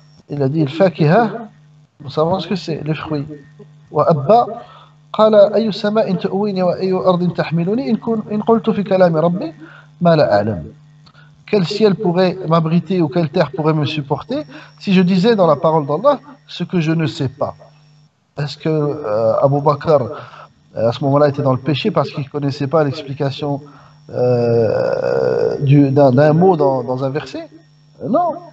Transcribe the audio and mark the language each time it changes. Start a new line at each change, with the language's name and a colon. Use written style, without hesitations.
French: Il a dit le fakiha, nous savons ce que c'est, les fruits.
Arabic: وأبا قال أي سماء تؤويني وأي أرض تحملني إن قلت في كلام ربي ما لا أعلم.
French: Quel ciel pourrait m'abriter ou quelle terre pourrait me supporter si je disais dans la parole d'Allah ce que je ne sais pas? Est-ce que Abu Bakr à ce moment-là était dans le péché parce qu'il ne connaissait pas l'explication d'un mot dans un verset? Non.